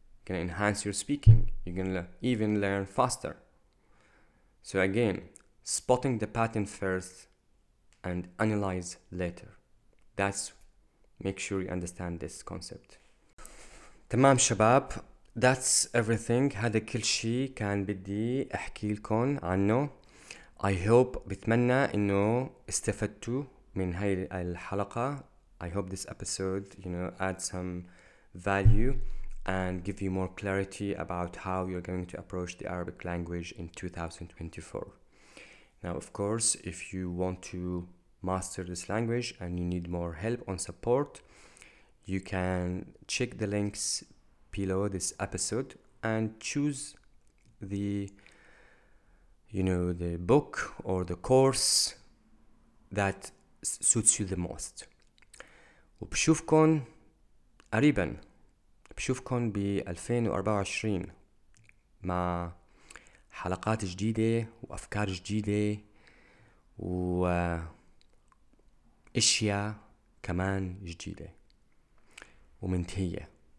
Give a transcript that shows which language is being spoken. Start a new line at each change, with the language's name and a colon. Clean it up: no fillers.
English: Gonna enhance your speaking. You're gonna even learn faster. So again, spotting the pattern first and analyze later. That's, make sure you understand this concept.
Arabic: تمام شباب,
English: that's everything.
Arabic: هذا كل شيء كان بدي احكي لكم عنه.
English: I hope,
Arabic: بتمنى انه استفدتوا من هاي الحلقة.
English: I hope this episode, you know, add some value and give you more clarity about how you're going to approach the Arabic language in 2024. Now, of course, if you want to master this language and you need more help and support, you can check the links below this episode and choose the, you know, the book or the course that suits you the most.
Arabic: وبشوفكن قريبا, بشوفكن ب 2024 مع حلقات جديدة وأفكار جديدة وأشياء كمان جديدة ومنتهية.